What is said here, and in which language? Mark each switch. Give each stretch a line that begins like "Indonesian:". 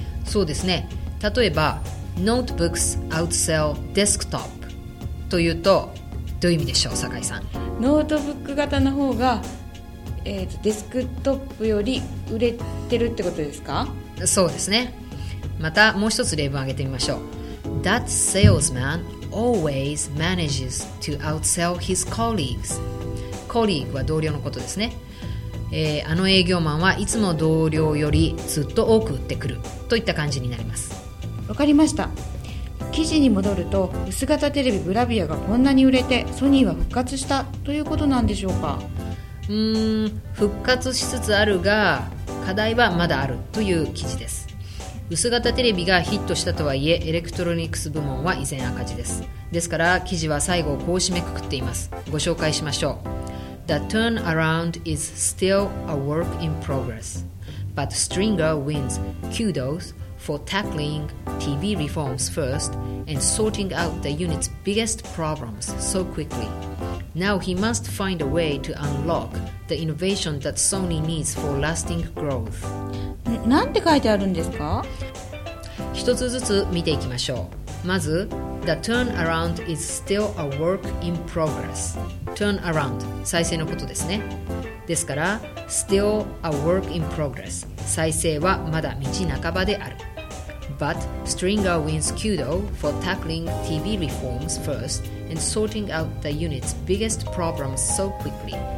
Japanese: そうですね。例えば
English: Notebooks outsell desktop
Japanese: というとどういう意味でしょう。酒井さん、ノートブック型の方が、デスクトップより売れてるってことですか。そうですね。またもう一つ例文を挙げてみましょう。
English: That salesman always manages to outsell his colleagues.
Japanese: コリーグは同僚のことですね。あの営業マンはいつも同僚よりずっと多く売ってくるといった感じになります。わかりました。記事に戻ると薄型テレビブラビアがこんなに売れてソニーは復活したということなんでしょうか。復活しつつあるが課題はまだあるという記事です。薄型テレビがヒットしたとはいえエレクトロニクス部門は依然赤字です。ですから記事は最後こう締めくくっています。ご紹介しましょう。
English: The turnaround is still a work in progress. But Stringer wins kudos for tackling TV reforms first and sorting out the unit's biggest problems so quickly. Now he must find a way to unlock the innovation that Sony needs for lasting growth.
Japanese: なんて書いてあるんですか？一つずつ見ていきましょう。まず、
English: The turnaround is still a work in progress.
Japanese: Turnaround、再生のことですね。ですから、
English: still a work in progress。
Japanese: 再生はまだ道半ばである。
English: But Stringer wins kudos for tackling TV reforms first and sorting out the unit's biggest problems so quickly.